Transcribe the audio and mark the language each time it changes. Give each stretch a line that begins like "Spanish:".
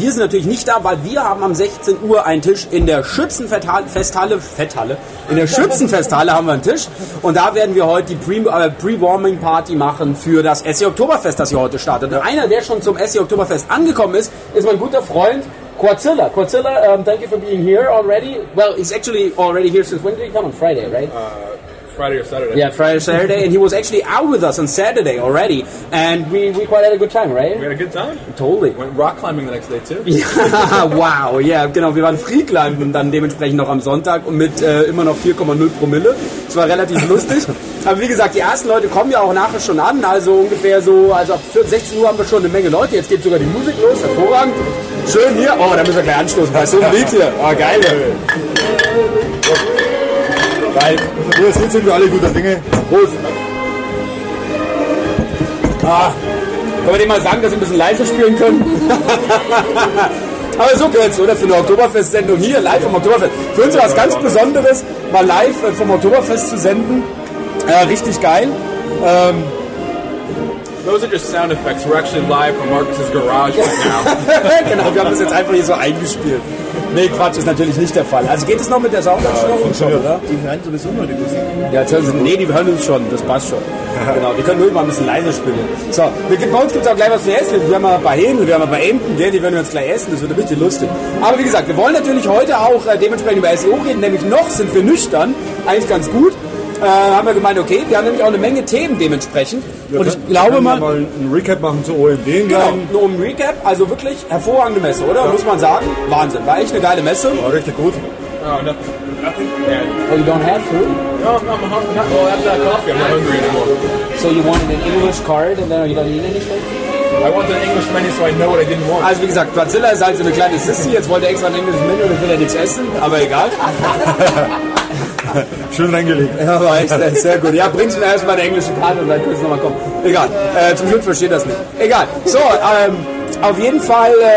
German: Wir sind natürlich nicht da, weil wir haben am 16 Uhr einen Tisch in der Schützenfesthalle. Fetthalle? In der Schützenfesthalle haben wir einen Tisch. Und da werden wir heute die Pre-Warming Party machen für das SE Oktoberfest, das hier heute startet. Und einer, der schon zum SE Oktoberfest angekommen ist, ist mein guter Freund.
English: Quartzilla, thank you for being here already. Well, he's actually already here since when did he come? On Friday, right? Friday or Saturday. Yeah, Friday or Saturday. And he was actually out with us on Saturday already. And we quite had a good time, right? We had a good time. Totally. Went rock climbing the next day, too. Wow, yeah, genau.
German: Wir waren free climbing dann dementsprechend noch am Sonntag und mit immer noch 4,0 Promille. Es war relativ lustig. Aber wie gesagt, die ersten Leute kommen ja auch nachher schon an. Also ungefähr so, also ab 16 Uhr haben wir schon eine Menge Leute. Jetzt geht sogar die Musik los. Hervorragend. Schön hier. Oh, da müssen wir gleich anstoßen. Bei so einem Lied hier. Oh, geil. Geil. Ja, das sind wir alle guter Dinge. Prost. Ah, können wir dem mal sagen, dass wir ein bisschen leiser spielen können? Aber so gehört es, oder? Für eine Oktoberfest-Sendung hier, live vom Oktoberfest. Für uns war es ganz Besonderes, mal live vom Oktoberfest zu senden. Richtig geil.
English: Those are just sound effects. We're actually live from Marcus's garage right now.
German: Genau, wir haben das jetzt einfach hier so eingespielt. Nee, Quatsch, ist natürlich nicht der Fall. Also geht es noch mit der Soundanstellung? Ja, funktioniert, oder? Die hören sowieso nur die Musik. Ja, jetzt hören sie, nee, die hören uns schon, das passt schon. Genau, wir können nur mal ein bisschen leiser spielen. So, bei uns gibt es auch gleich was zu essen. Wir haben ein paar Hähnchen, wir haben ein paar Enten, die werden wir uns gleich essen, das wird ein bisschen lustig. Aber wie gesagt, wir wollen natürlich heute auch dementsprechend über SEO reden, nämlich noch sind wir nüchtern, eigentlich ganz gut. Haben wir gemeint, okay, wir haben nämlich auch eine Menge Themen dementsprechend. Und ich glaube mal. Wir können mal einen Recap machen zu OMD. Genau, nur um Recap, also wirklich hervorragende Messe, oder? Ja. Muss man sagen. Wahnsinn, war echt eine geile Messe. War richtig gut.
English: Nothing. Oh, you don't have food? No, I'm hungry. Oh, well, after that coffee, I'm not hungry anymore. So you wanted an English card and then you don't need anything? I want an English menu, so I know what I didn't want.
German: Also wie gesagt, Godzilla ist halt so eine kleine Sissy, jetzt wollte er extra ein englisches Menü und will er nichts essen, aber egal. Schön reingelegt. Ja, war echt sehr gut. Ja, bringst mir erstmal eine englische Karte und dann kannst du nochmal kommen. Egal. Zum Glück versteht das nicht. Egal. So, auf jeden Fall